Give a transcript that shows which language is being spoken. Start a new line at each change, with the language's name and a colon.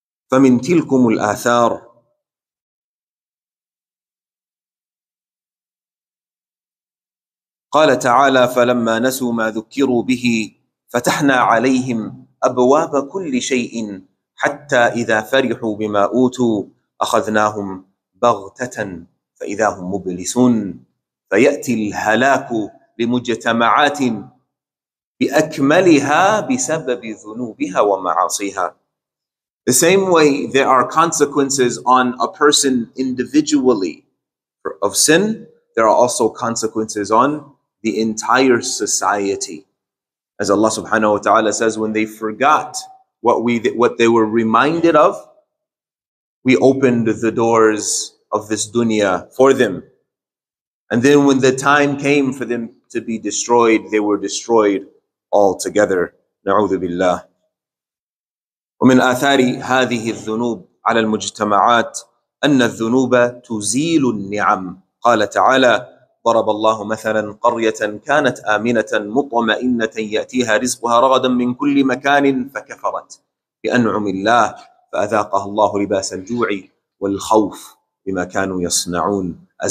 Arabic: فمن تلكم الآثار قال تعالى: فلما نسوا ما ذكروا به فتحنا عليهم أبواب كل شيء حتى إذا فرحوا بما أوتوا أخذناهم بغتة فإذا هم مبلسون. فيأتي الهلاك لمجتمعات بأكملها بسبب ذنوبها ومعاصيها.
English: The same way there are consequences on a person individually of sin, there are also consequences on the entire society. As Allah subhanahu wa ta'ala says, when they forgot what they were reminded of, we opened the doors of this dunya for them. And then when the time came for them to be destroyed, they were destroyed altogether.
Arabic: Na'udhu billah. ومن آثار هذه الذنوب على المجتمعات أن الذنوب تزيل النعم. قال تعالى: ضرب الله مثلا قرية كانت آمنة مطمئنة يأتيها رزقها رغدا من كل مكان فكفرت بأنعم الله فأذاقها الله لباس الجوع والخوف بما كانوا يصنعون.